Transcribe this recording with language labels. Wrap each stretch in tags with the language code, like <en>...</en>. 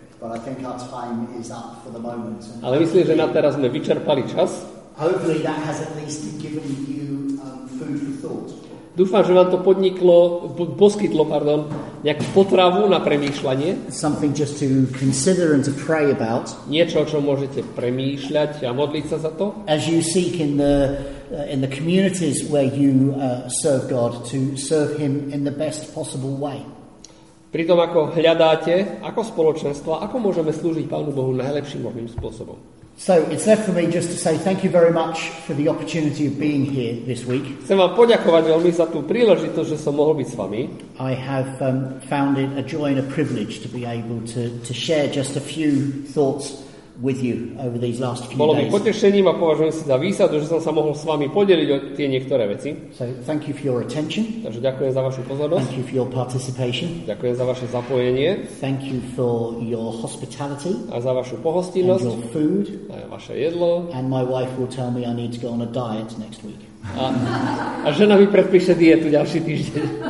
<en>But I think our time is up for the moment.</en> <sk>Ale myslím, že na teraz sme vyčerpali čas.</sk> <en>Hopefully that has at least given you food for thought.</en> <sk>Dúfam, že vám to podniklo, poskytlo, pardon, nejakú potravu na premýšľanie.</sk> <en>Something just to consider and to pray about.</en> <sk>Niečo, čo môžete premýšľať a modliť sa za to.</sk> <en>As you seek in the communities where you serve God to serve him in the best possible way.</en> <sk>Pri tom, ako hľadáte, ako spoločenstvo, ako môžeme slúžiť Pánu Bohu najlepším možným spôsobom.</sk> <en>So, it's left for me just to say thank you very much for the opportunity of being here this week.</en> <sk>Chcem vám poďakovať veľmi za tú príležitosť, že som mohol byť s vami.</sk> <en>I have found it a joy and a privilege to be able to share just a few thoughts with you over these last few days.</en> <sk>Bolo mi potešením a považujem si za výsadu, že som sa mohol s vami podeliť o tie niektoré veci.</sk> <en>So, thank you for your attention.</en> <sk>Takže ďakujem za vašu pozornosť.</sk> <en>Thank you for your participation.</en> <sk>Ďakujem za vaše zapojenie.</sk> <en>Thank you for your hospitality.</en> <sk>A za vašu pohostinnosť.</sk> <en>And your food.</en> <sk>A vaše jedlo.</sk> <en>And my wife will tell me I need to go on a diet next week.</en> <sk>A žena mi predpíše dietu ďalší týždeň.</sk>